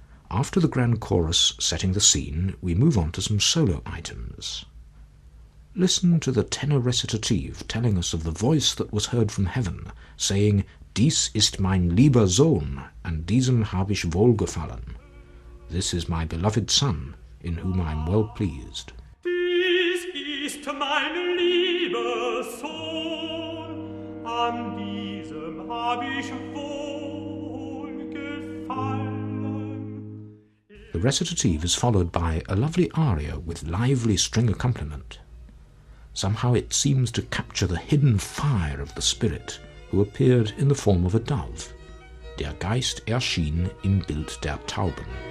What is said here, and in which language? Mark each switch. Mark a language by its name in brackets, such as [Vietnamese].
[English] After the grand chorus setting the scene, we move on to some solo items. Listen to the tenor recitative telling us of the voice that was heard from heaven, saying, [German] Dies ist mein lieber Sohn, und diesem habe ich wohlgefallen. [English] This is my beloved Son, in whom I am well pleased. [German] Dies ist mein lieber Sohn, an diesem hab ich wohl gefallen. [English] The recitative is followed by a lovely aria with lively string accompaniment. Somehow it seems to capture the hidden fire of the Spirit who appeared in the form of a dove. [German] Der Geist erschien im Bild der Tauben.